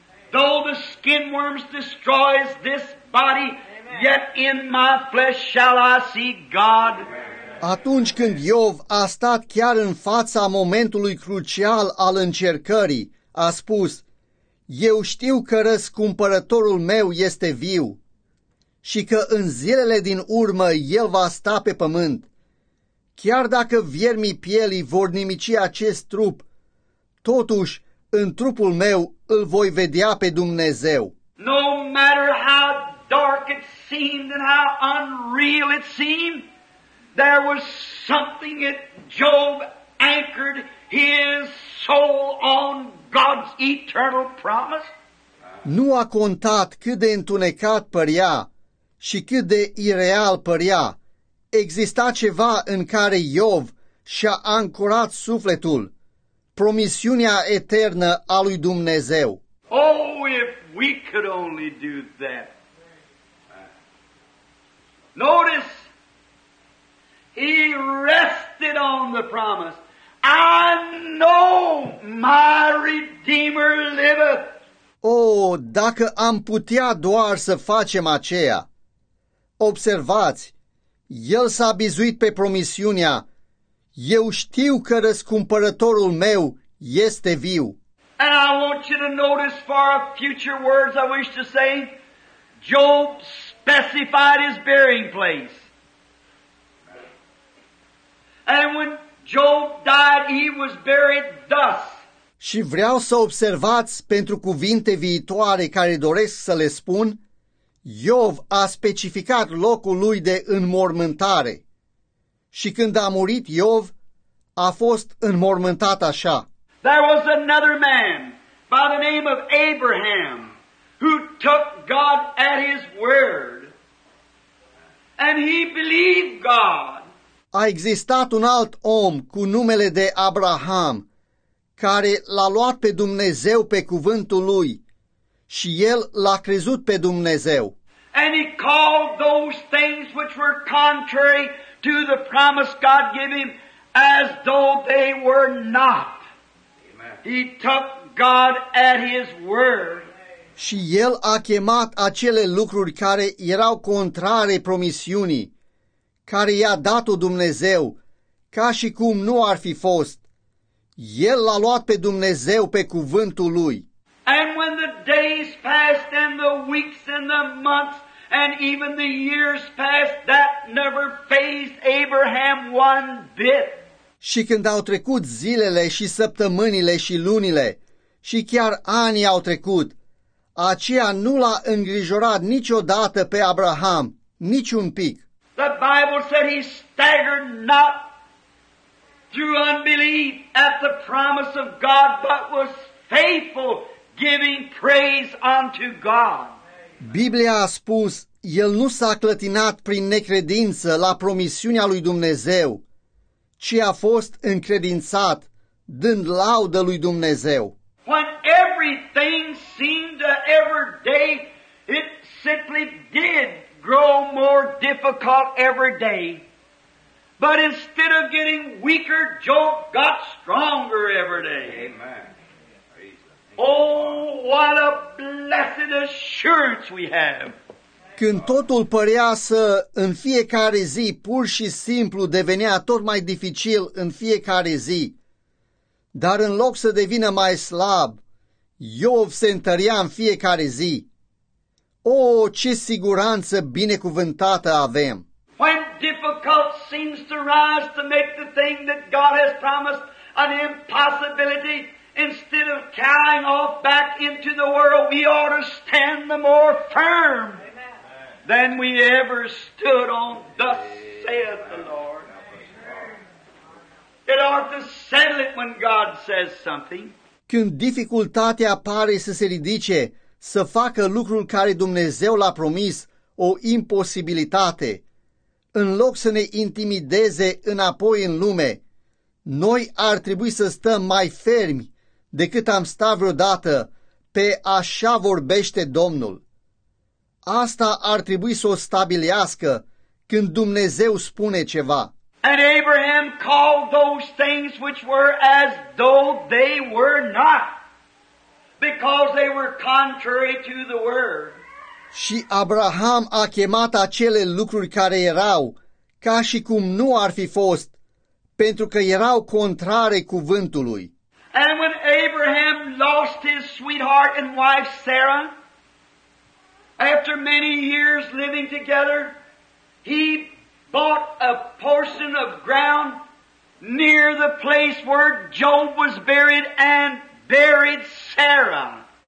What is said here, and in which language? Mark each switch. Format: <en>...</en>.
<en>Though the skin worms destroys this body, yet in my flesh shall I see God.</en> <ro>Atunci când Iov a stat chiar în fața momentului crucial al încercării, a spus, eu știu că răscumpărătorul meu este viu și că în zilele din urmă el va sta pe pământ. Chiar dacă viermii pielii vor nimici acest trup, totuși în trupul meu îl voi vedea pe Dumnezeu.</ro> <en>No matter how dark it seemed and how unreal it seemed, there was something that Job anchored his soul on God's eternal promise.</en> <ro>Nu a contat cât de întunecat părea și cât de ireal părea. Exista ceva în care Iov și-a ancorat sufletul, promisiunea eternă a lui Dumnezeu.</ro> <en>Oh, if we could only do that. Notice, he rested on the promise. I know my Redeemer liveth.</en> <ro>Oh, dacă am putea doar să facem aceea. Observați, el s-a bizuit pe promisiunea, Eu știu că răscumpărătorul meu este viu.</ro> <en>And I want you to notice for our future words I wish to say, Job specified his burying place. And when Job died, he was buried thus.</en> <ro>Și vreau să observați pentru cuvinte viitoare care doresc să le spun, Iov a specificat locul lui de înmormântare. Și când a murit Iov, a fost înmormântat așa.</ro> <en>There was another man by the name of Abraham who took God at his word and he believed God.</en> <ro>A existat un alt om cu numele de Abraham care l-a luat pe Dumnezeu pe cuvântul lui și el l-a crezut pe Dumnezeu.</ro> <en>And he called those things which were contrary to the promise God gave him as though they were not. Amen. He took God at his word.</en> <ro>Și el a chemat acele lucruri care erau contrare promisiunii, care i-a dat-o Dumnezeu, ca și cum nu ar fi fost. El l-a luat pe Dumnezeu pe cuvântul lui.</ro> <en>And when the days passed and the weeks and the months and even the years passed, that never fazed Abraham one bit.</en> <ro>Și când au trecut zilele și săptămânile și lunile și chiar anii au trecut, aceea nu l-a îngrijorat niciodată pe Abraham, niciun pic.</ro> <en>The Bible said he staggered not through unbelief at the promise of God, but was faithful, giving praise unto God.</en> <ro>Biblia a spus, el nu s-a clătinat prin necredință la promisiunea lui Dumnezeu, ci a fost încredințat, dând laudă lui Dumnezeu.</ro> <en>When everything seemed to every day, it simply did grow more difficult every day. But instead of getting weaker, Job got stronger every day. Amen. Oh, what a blessed assurance we have!</en> <ro>Când totul părea să în fiecare zi pur și simplu devenea tot mai dificil în fiecare zi, dar în loc să devină mai slab, Iov se întărea în fiecare zi. O, ce siguranță binecuvântată avem!</ro> <en>When difficult seems to rise to make the thing that God has promised an impossibility, instead of cowing off back into the world, we ought to stand the more firm than we ever stood on, thus saith the Lord. It ought to settle it when God says something.</en> <ro>Când dificultatea pare să se ridice, să facă lucrul care Dumnezeu l-a promis, o imposibilitate, în loc să ne intimideze înapoi în lume, noi ar trebui să stăm mai fermi decât am stat vreodată pe așa vorbește Domnul. Asta ar trebui să o stabilească când Dumnezeu spune ceva.</ro> <en>And Abraham called those things which were as though they were not, because they were contrary to the word.</en> <ro>Și Abraham a chemat acele lucruri care erau ca și cum nu ar fi fost, pentru că erau contrare cuvântului.</ro> <en>And when Abraham lost his sweetheart and wife Sarah, after many years living together, he bought a portion of ground near the place where Job was buried and buried Sarah.</en>